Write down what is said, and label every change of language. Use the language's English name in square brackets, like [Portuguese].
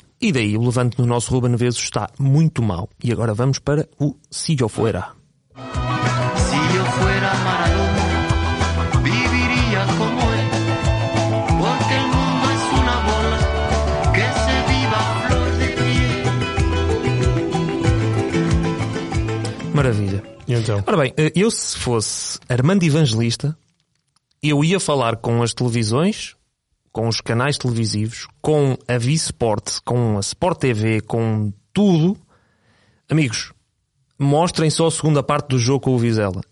[Portuguese] E daí, o Levante no nosso Ruben Vezes está muito mal. E agora vamos para o Si Yo Fuera. [Spanish] Si yo fuera Maradona, viviria como él. Porque el mundo es una bola que se viva flor de pie. [Portuguese] Maravilha. E então? Ora bem, eu se fosse Armando Evangelista, eu ia falar com as televisões, com os canais televisivos, com a V-Sport, com a Sport TV, com tudo. Amigos, mostrem só a segunda parte do jogo com o Vizela.